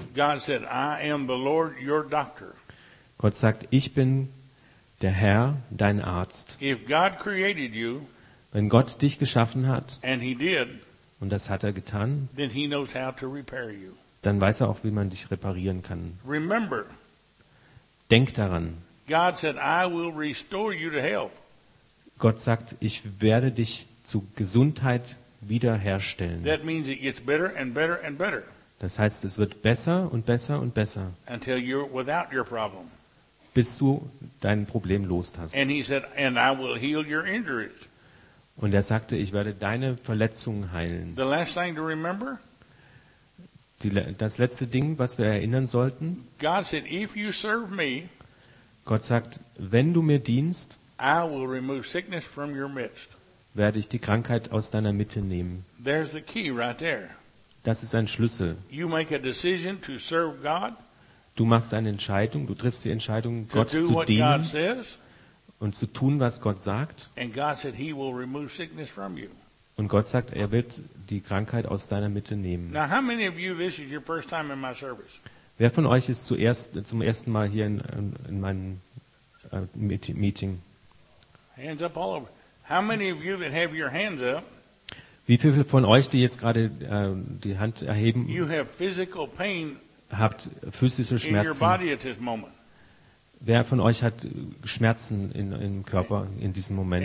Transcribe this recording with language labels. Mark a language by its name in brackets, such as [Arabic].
[English] God said, I am the Lord, your doctor. [German] Gott sagt, ich bin der Herr, dein Arzt. [English] If God created you, [German] wenn Gott dich geschaffen hat, [English] and he did, [German] und das hat er getan, dann weiß er, wie er dich reparieren kann. Dann weiß er auch, wie man dich reparieren kann. [English] Remember, [German] denk daran. [English] God said, I will restore you to health. [German] Gott sagt, ich werde dich zu Gesundheit wiederherstellen. [English] That means it gets better and better and better. [German] Das heißt, es wird besser und besser und besser. [English] Until you're without your problem. [German] Bis du dein Problem los hast. [English] And he said, and I will heal your injuries. [German] Und er sagte, ich werde deine Verletzungen heilen. [English] The last thing to remember, [German] das letzte Ding, was wir erinnern sollten. [English] God said, if you serve me, [German] Gott sagt, wenn du mir dienst, [English] I will remove sickness from your midst. [German] Werde ich die Krankheit aus deiner Mitte nehmen. [English] There's the key right there. [German] Das ist ein Schlüssel. [English] You make a decision to serve God, [German] du machst eine Entscheidung, du triffst die Entscheidung, Gott zu dienen, [English] God says, [German] und zu tun, was Gott sagt. [English] And God said he will remove sickness from you. [German] Und Gott sagt, er wird die Krankheit aus deiner Mitte nehmen. [English] Now, how many of you, this is your first time in my service? [German] Wer von euch ist zum ersten Mal hier in meinem Meeting? [English] Hands up all over. How many of you that have your hands up? [German] Wie viele von euch, die jetzt gerade die Hand erheben, [English] you have physical pain, [German] habt physische Schmerzen? [English] In your body at this moment? [German] Wer von euch hat Schmerzen im Körper in diesem Moment?